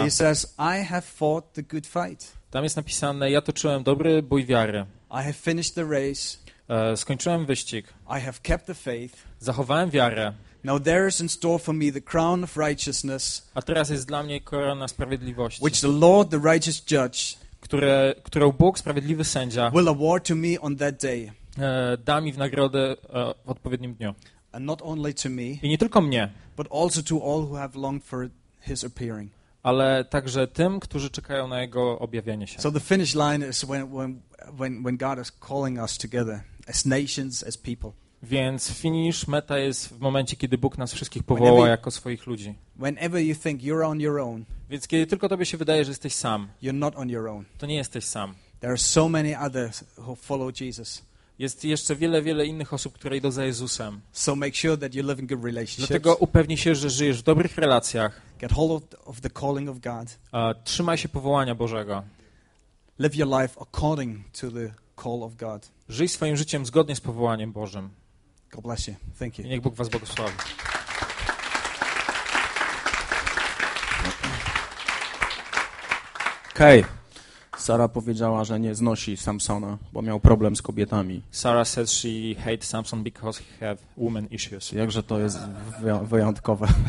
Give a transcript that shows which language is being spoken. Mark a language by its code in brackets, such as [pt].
[en] He says, I have fought the good fight. [pl] Tam jest napisane, ja toczyłem dobry bój wiary. [en] I have finished the race. [pl] Skończyłem wyścig. [en] I have kept the faith. [pl] Zachowałem wiarę. [en] Now there is in store for me the crown of righteousness. [pl] A teraz jest dla mnie korona sprawiedliwości. [en] Which the Lord, the righteous judge, [pl] którą Bóg, sprawiedliwy sędzia, [en] will award to me on that day. [pl] Da mi w nagrodę w odpowiednim dniu. [en] And not only to me. [pl] I nie tylko mnie. [en] But also to all who have longed for his appearing. [pl] Ale także tym, którzy czekają na jego objawienie się. [en] So the finish line is when God is calling us together as nations, as people. [pl] Więc finish, meta jest w momencie, kiedy Bóg nas wszystkich powoła jako swoich ludzi. [en] Whenever you think you're on your own. [pl] Więc kiedy tylko tobie się wydaje, że jesteś sam. [en] You're not on your own. [pl] To nie jesteś sam. [en] There are so many others who follow Jesus. [pl] Jest jeszcze wiele, wiele innych osób, które idą za Jezusem. [en] So make sure that you live in good relationships. [pl] Dlatego upewnij się, że żyjesz w dobrych relacjach. [en] Get hold of the calling of God. [pl] Trzymaj się powołania Bożego. [en] Live your life according to the call of God. [pl] Żyj swoim życiem zgodnie z powołaniem Bożym. [en] God bless you. Thank you. [pl] I niech Bóg was błogosławi. [en] Okay. [pl] Sara powiedziała, że nie znosi Samsona, bo miał problem z kobietami. [en] Sara said she hates Samson because he have woman issues. [pl] Jakże to jest wyjątkowe.